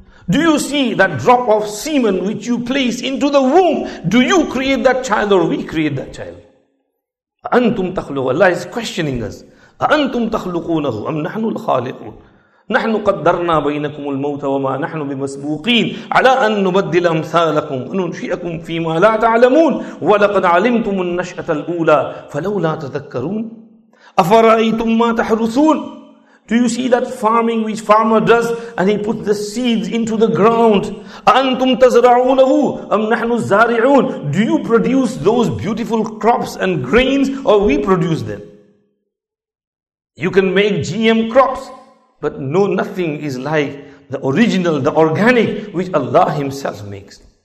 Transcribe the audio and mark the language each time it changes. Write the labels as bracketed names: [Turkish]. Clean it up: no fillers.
[English] Do you see that drop of semen which you place into the womb? Do you create that child or we create that child? [Arabic] أَأَنْتُمْ تَخْلُقُونَهُ. [English] Allah is questioning us. [Arabic] أَأَنْتُمْ تَخْلُقُونَهُ أَمْ نَحْنُ الْخَالِقُونَ. نحن قدرنا بينكم الموت وما نحن بمسبوقين على أن نبدل أمثالكم وننشئكم فيما لا تعلمون ولقد علمتم النشأة الأولى فلولا تذكرون أفرأيتم ما تحرثون. [English] Do you see that farming which farmer does and he puts the seeds into the ground? [Arabic] أَنْتُمْ تَزْرَعُونَهُ أَمْ نَحْنُ الزَّارِعُونَ. [English] Do you produce those beautiful crops and grains or we produce them? You can make GM crops, but no, nothing is like the original, the organic, which Allah Himself makes.